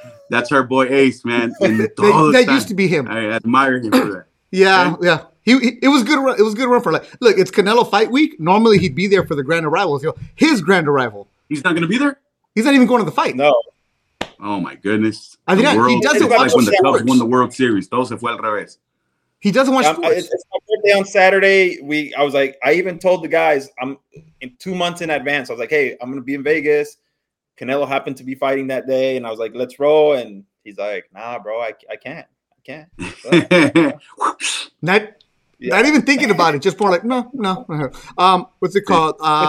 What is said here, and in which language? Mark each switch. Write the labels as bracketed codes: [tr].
[en] That's our boy Ace, man. that used to be him. I admire him for that. Yeah. It was good run for, like, look, it's Canelo fight week. Normally, he'd be there for the grand arrivals. You know, his grand arrival. He's not going to be there? He's not even going to the fight. No. Oh, my goodness. I mean, he doesn't watch when the Cubs won the World Series. [es] Todo se fue al revés. [en] He doesn't watch sports. It's my birthday on Saturday. I even told the guys, I'm in 2 months in advance. I was like, hey, I'm going to be in Vegas. Canelo happened to be fighting that day. And I was like, let's roll. And he's like, nah, bro, I can't. I can't. Not even thinking about it. Just more like, no. What's it called?